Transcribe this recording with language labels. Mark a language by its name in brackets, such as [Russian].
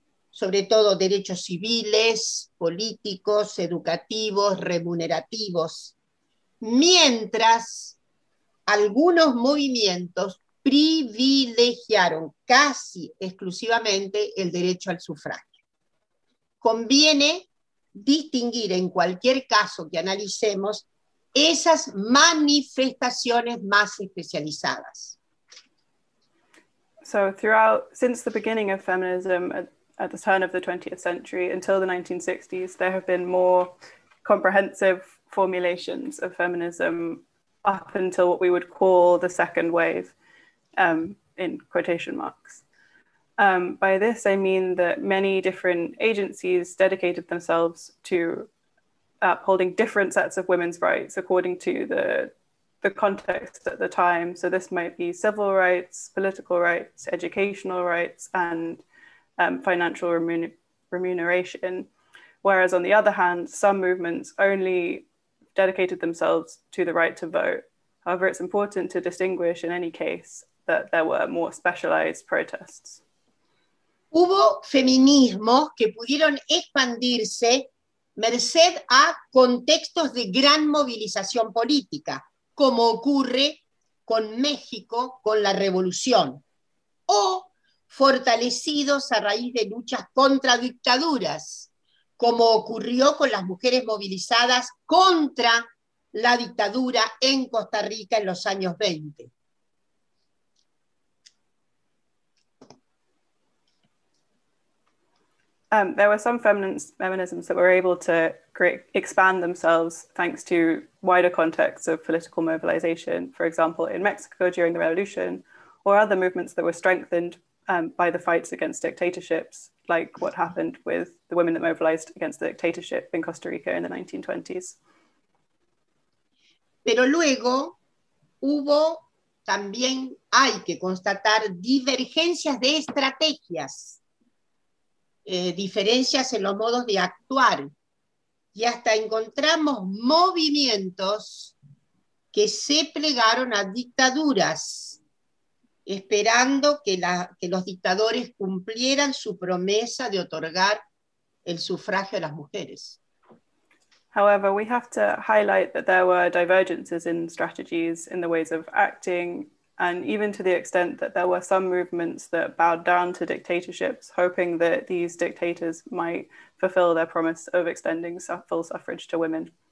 [Spanish] sobre todo derechos civiles, políticos, educativos, remunerativos, mientras algunos movimientos privilegiaron casi exclusivamente el derecho al sufragio. Conviene distinguir en cualquier caso que analicemos esas manifestaciones más especializadas. [English] So since the beginning of feminism, at the turn of the 20th century until the 1960s, there have been more comprehensive formulations of feminism up until what we would call the second wave, in quotation marks. By this, I mean that many different agencies dedicated themselves to upholding different sets of women's rights according to the context at the time. So this might be civil rights, political rights, educational rights, and financial remuneration. Whereas on the other hand, some movements only dedicated themselves to the right to vote. However, it's important to distinguish in any case that there were more specialized protests. [Spanish] Hubo feminismos que pudieron expandirse merced a contextos de gran movilización política, como ocurre con México, con la Revolución, o fortalecidos a raíz de luchas contra dictaduras, como ocurrió con las mujeres movilizadas contra la dictadura en Costa Rica en los años 20. [English] There were some feminisms that were able to expand themselves thanks to wider contexts of political mobilization, for example, in Mexico during the revolution, or other movements that were strengthened by the fights against dictatorships, like what happened with the women that mobilized against the dictatorship in Costa Rica in the 1920s. [Spanish] Pero luego hubo, también hay que constatar, divergencias de estrategias. Diferencias en los modos de actuar y hasta encontramos movimientos que se plegaron a dictaduras esperando que los dictadores cumplieran su promesa de otorgar el sufragio a las mujeres. [English] However, we have to highlight that there were divergences in strategies, in the ways of acting, and even to the extent that there were some movements that bowed down to dictatorships, hoping that these dictators might fulfill their promise of extending full suffrage to women.